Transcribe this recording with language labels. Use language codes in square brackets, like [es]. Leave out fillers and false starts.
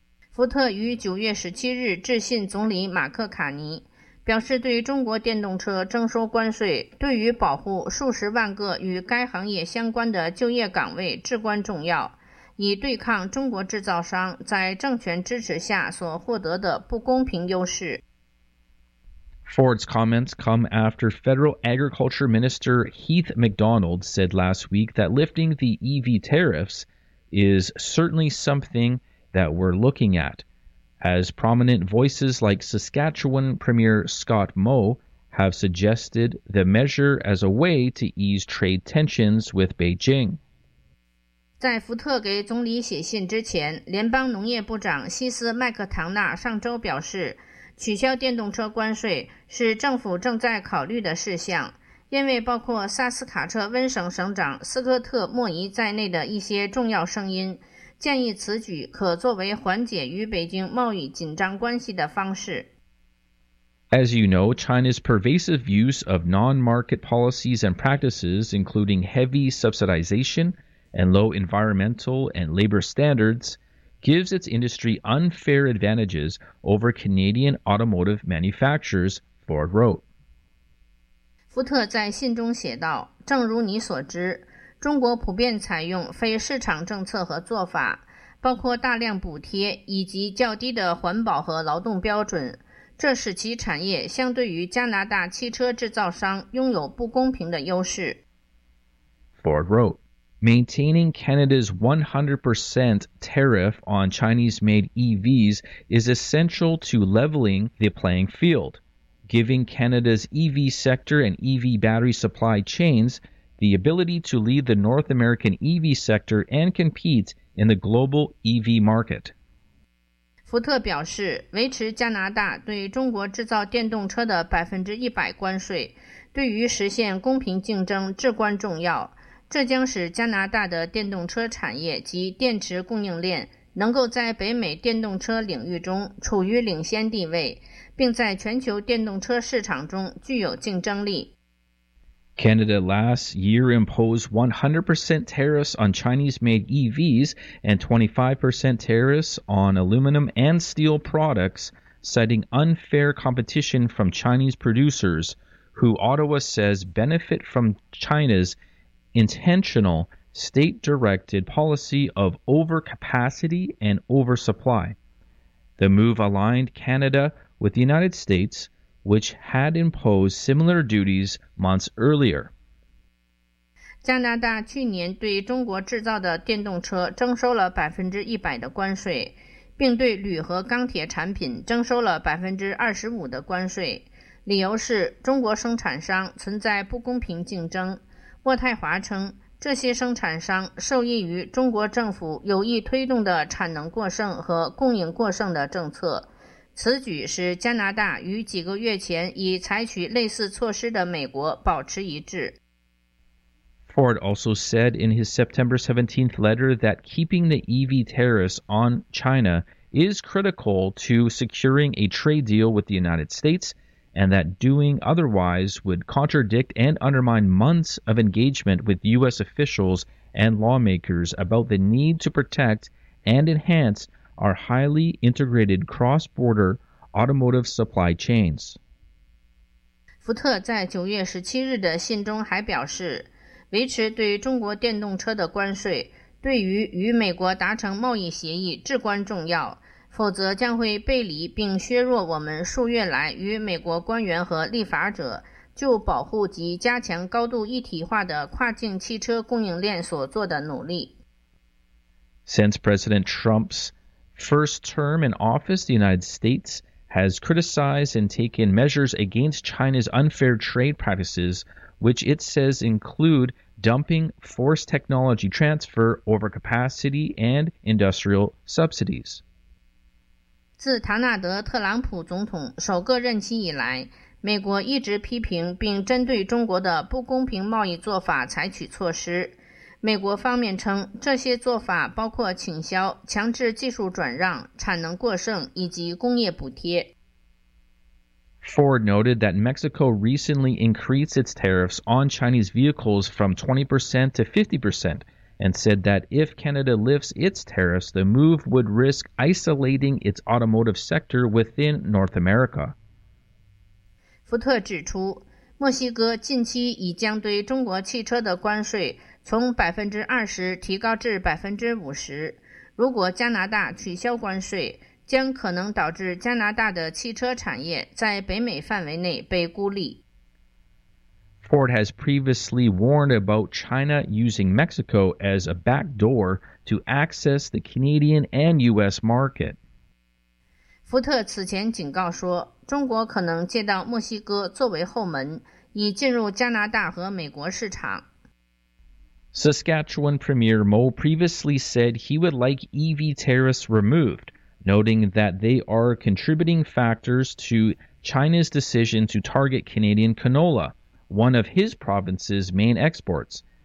[zh] 福特于9月17日致信总理马克·卡尼，表示对中国电动车征收关税对于保护数十万个与该行业相关的就业岗位至关重要，以对抗中国制造商在政权支持下所获得的不公平优势。 [en] Ford's comments come after Federal Agriculture Minister Heath MacDonald said last week that lifting the EV tariffs is certainly something that we're looking at, as prominent voices like Saskatchewan Premier Scott Moe have suggested the measure as a way to ease trade tensions with Beijing. [zh] 在福特给总理写信之前，联邦农业部长西斯·麦克唐纳上周表示，取消电动车关税是政府正在考虑的事项，因为包括萨斯卡彻温省省长斯科特·莫伊在内的一些重要声音建议此举可作为缓解与北京贸易紧张关系的方式。 [en] As you know, China's pervasive use of non-market policies and practices, including heavy subsidization and low environmental and labor standards,gives its industry unfair advantages over Canadian automotive manufacturers, Ford wrote. [zh] 福特在信中写道，正如你所知，中国普遍采用非市场政策和做法，包括大量补贴以及较低的环保和劳动标准，这使其产业相对于加拿大汽车制造商拥有不公平的优势。 [en] Ford wrote. Maintaining Canada's 100% tariff on Chinese-made EVs is essential to leveling the playing field, giving Canada's EV sector and EV battery supply chains the ability to lead the North American EV sector and compete in the global EV market. [zh] 福特表示，维持加拿大对中国制造电动车的 100% 关税，对于实现公平竞争至关重要。这将使加拿大的电动车产业及电池供应链能够在北美电动车领域中处于领先地位，并在全球电动车市场中具有竞争力。 [en] Canada last year imposed 100% tariffs on Chinese-made EVs and 25% tariffs on aluminum and steel products, citing unfair competition from Chinese producers, who Ottawa says benefit from China's intentional state-directed policy of overcapacity and oversupply. The move aligned Canada with the United States, which had imposed similar duties months earlier. [zh] 加拿大去年对中国制造的电动车征收了 100% 的关税，并对铝和钢铁产品征收了 25% 的关税，理由是中国生产商存在不公平竞争。渥太华称，这些生产商受益于中国政府有意推动的产能过剩和供应过剩的政策。此举使加拿大与几个月前已采取类似措施的美国保持一致。 [en] Ford also said in his September 17th letter that keeping the EV tariffs on China is critical to securing a trade deal with the United States, and that doing otherwise would contradict and undermine months of engagement with U.S. officials and lawmakers about the need to protect and enhance our highly integrated cross-border automotive supply chains. [zh] 福特在9月17日的信中还表示，维持对中国电动车的关税对于与美国达成贸易协议至关重要，否则将会背离并削弱我们数月来与美国官员和立法者就保护及加强高度一体化的跨境汽车供应链所做的努力。 [en] Since President Trump's first term in office, the United States has criticized and taken measures against China's unfair trade practices, which it says include dumping, forced technology transfer, overcapacity, and industrial subsidies. [zh] 自唐纳德·特朗普总统首个任期以来，美国一直批评并针对中国的不公平贸易做法采取措施。美国方面称，这些做法包括倾销、强制技术转让、产能过剩以及工业补贴。 [en] Ford noted that Mexico recently increased its tariffs on Chinese vehicles from 20% to 50% and said that if Canada lifts its tariffs, the move would risk isolating its automotive sector within North America. [zh] 福特指出，墨西哥近期已将对中国汽车的关税从 20% 提高至 50%。如果加拿大取消关税，将可能导致加拿大的汽车产业在北美范围内被孤立。 [en] Ford has previously warned about China using Mexico as a backdoor to access the Canadian and U.S. market. [zh] 福特此前警告说，中国可能借到墨西哥作为后门，以进入加拿大和美国市场。 [en] Saskatchewan Premier Mo previously said he would like EV tariffs removed, noting that they are contributing factors to China's decision to target Canadian canola, one of his province's main exports.